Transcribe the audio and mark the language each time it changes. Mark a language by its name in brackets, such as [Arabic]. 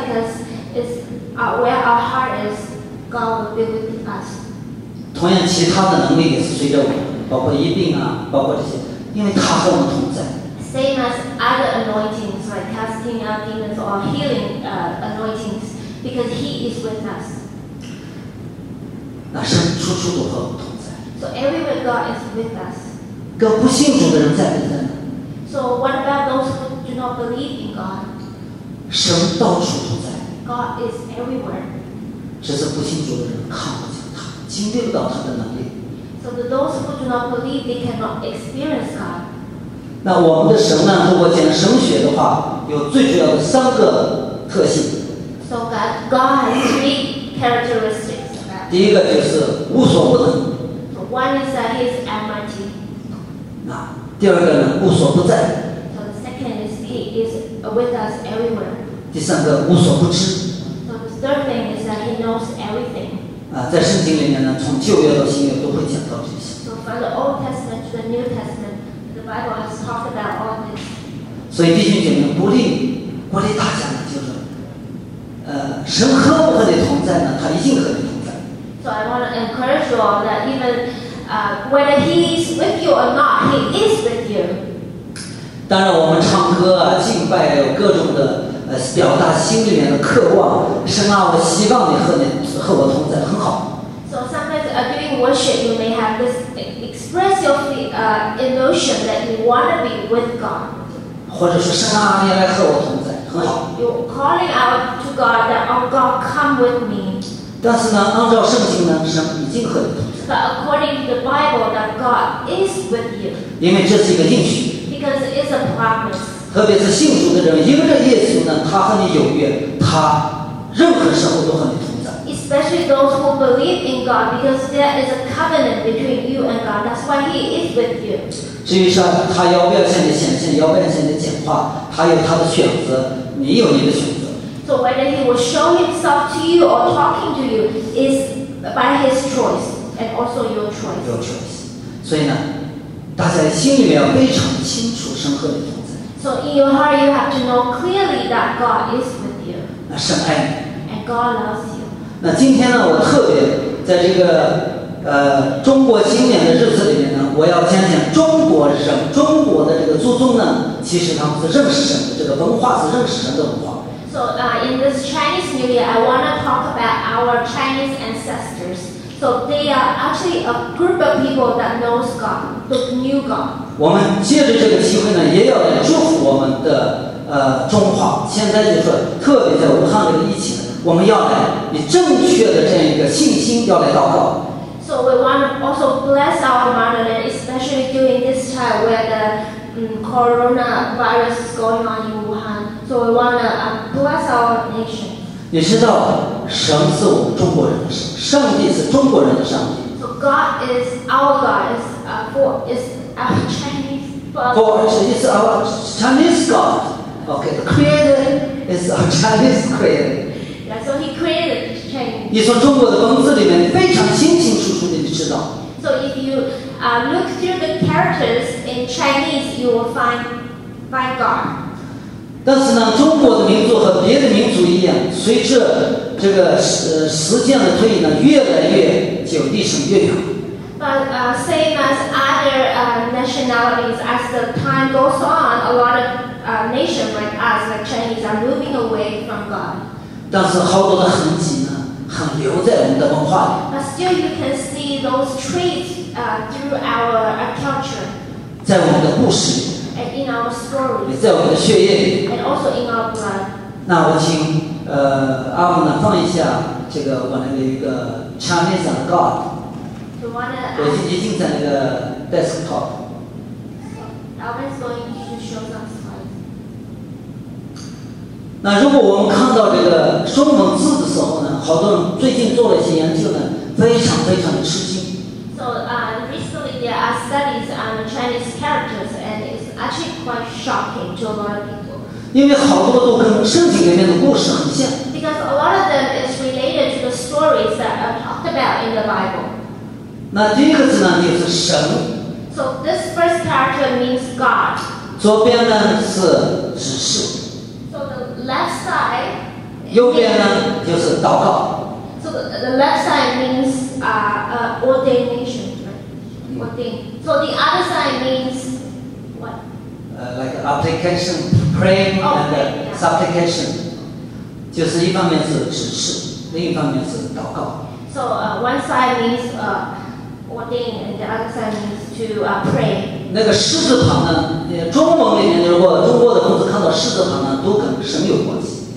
[English] Because it's where our heart is, God will be with us. [Chinese] 同样，其他的能力也是随着我们，包括医病啊，包括这些，因为他和我们同在。 [English] Same as other anointings, like casting out demons or healing anointings, because He is with us. [Chinese] 那神处处都和我们同在。 [English] So everywhere God is with us. [Chinese] 跟不信主的人在不在呢 [English] ？So what about those who do not believe in God? [Chinese] 神到处都在。 [English] God is everywhere. [Chinese] 只是不信主的人看不见他，经历不到他的能力。 [English] So those who do not believe, they cannot experience God. [Chinese] 那我们的神呢？如果讲神学的话，有最主要的三个特性。 [English] So God has three characteristics. [Chinese] 第一个就是无所不能。 [English] One is that he's almighty. [Chinese] 那第二个呢？无所不在。 [English] So the second is he is with us everywhere. [Chinese] 第三个无所不知。 [English] So the third thing is that he knows everything. [Chinese] 啊，在圣经里面呢，从旧约到新约都会讲到这些。 [English] So from the Old Testament to the New Testament, the Bible has talked about all this. [Chinese] 所以弟兄姐妹，鼓励大家呢，就是，神和不和你同在呢？他一定和你。 [English] So I want to encourage you all that even whether he is with you or not, he is with you. [Chinese] 当然我们唱歌啊敬拜有各种的表达心里面的渴望，神啊我希望你和我同在，很好。 [English] So sometimes during worship you may have this express your emotion that you want to be with God. [Chinese] 或者说神啊你来和我同在，很好。 [English] You're calling out to God that, oh God, come with me. [Chinese] 但是呢，按照圣经呢，神已经和你同在。 [English] But according to the Bible, that God is with you. [Chinese] 因为这是一个应许。 [English] Because it's a promise. [Chinese] 特别是信主的人，因着耶稣呢，他和你有约，他任何时候都和你同在。 [English] Especially those who believe in God, because there is a covenant between you and God. That's why He is with you. [Chinese] 至于说他要不要向你显现，要不要向你讲话，他有他的选择，你有你的选择。 [English] So whether He will show Himself to you or talking to you is by His choice and also your choice. Your choice. [Chinese] 所以呢，大家心里面要非常清楚神和你同在。 [English] So in your heart, you have to know clearly that God is with you. [Chinese] 那神爱你。 [English] And God loves you. [Chinese] 那今天呢，我特别在这个中国新年的日子里面呢，我要讲讲中国人，中国的这个祖宗呢，其实他们是认识神的，这个文化是认识神的文化。 [English] So in this Chinese New Year, I want to talk about our Chinese ancestors. So they are actually a group of people that knows God, the new God. [Chinese] 我们借着这个机会呢，也要来祝福我们的中华。现在就是特别在武汉这个疫情，我们要来以正确的这样一个信心要来祷告。 [English] So we want to also bless our motherland, especially during this time where the coronavirus is going on in Wuhan. So we want to bless our nation. [Chinese] 你知道，神是我们中国人的神，上帝是中国人的上帝。 [English] So God is our God, is our Chinese God. Okay, the Creator is our Chinese Creator. Yeah, so He created. [Chinese] 你从中国的文字里面非常清清楚楚的你知道。 [English] So if you look through the characters in Chinese, you will find God. [Chinese] 但是呢，中国的民族和别的民族一样，随着这个时间的推移呢，越来越久，历史越远。 [English] But same as other nationalities, as the time goes on, a lot of nations like us, like Chinese, are moving away from God. [Chinese] 但是好多的痕迹。很留在我们的文化里。 [English] But still, you can see those traits through our culture. [Chinese] 在我们的故事里。 [English] And in our stories. [Chinese] 也在我们的血液里。 [English] And also in our blood. [Chinese] 那我请阿姆呢放一下这个我那个一个 [English] Chinese and God. So wanna. [Chinese] 我已经在那个 desktop. [English] So Alvin's going to show some slides. [Chinese] 那如果我们看到这个中文字的时候呢？好多人最近做了一些研究呢，非常非常的吃惊。 [English] So recently there are studies on Chinese characters, and it's actually quite shocking to a lot of people. [Chinese] 因为好多都跟圣经里面的故事很像。 [English] Because a lot of them is related to the stories that are talked about in the Bible. [Chinese] 那第一个字呢，就是神。 [English] So this first character means God. [Chinese] 左边呢是指示。 [English] So the left side. [Chinese] 右边呢就是祷告。 [English] So the left side means ordination, right? Ordain. So the other side means what? Like application, praying and supplication. [Chinese] 就是一方面是指示，另一方面是祷告。 [English] So one side means ordain, and the other side means to pray. [Chinese] 那个狮子旁呢，中文里面如果中国的孔子看到狮子旁呢，都跟神有关系。